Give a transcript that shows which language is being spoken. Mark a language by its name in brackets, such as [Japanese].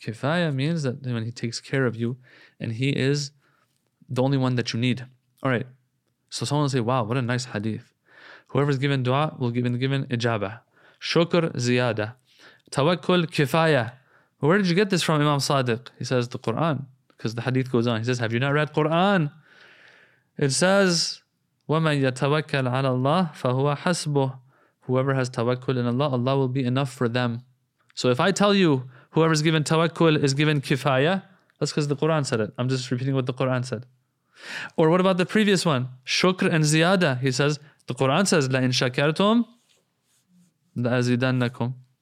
[English] Kifaya means that when He takes care of you, and He is the only one that you need. All right. So someone will say, wow, what a nice hadith. Whoever is given dua will be given ijabah. Shukr, ziyada. Tawakkul, kifaya. Where did you get this from, Imam Sadiq? He says, the Quran. Because the hadith goes on. He says, have you not read Quran? It says, [Arabic] وَمَنْ يَتَوَكَّلْ عَلَى اللَّهِ فَهُوَ حَسْبُهُ. [English] Whoever has tawakkul in Allah, Allah will be enough for them. So if I tell you, whoever is given tawakkul is given kifaya, that's because the Quran said it. I'm just repeating what the Quran said. Or what about the previous one? Shukr and ziyada. He says, the Quran says, [Arabic] "La in shakartum, la azidannakum."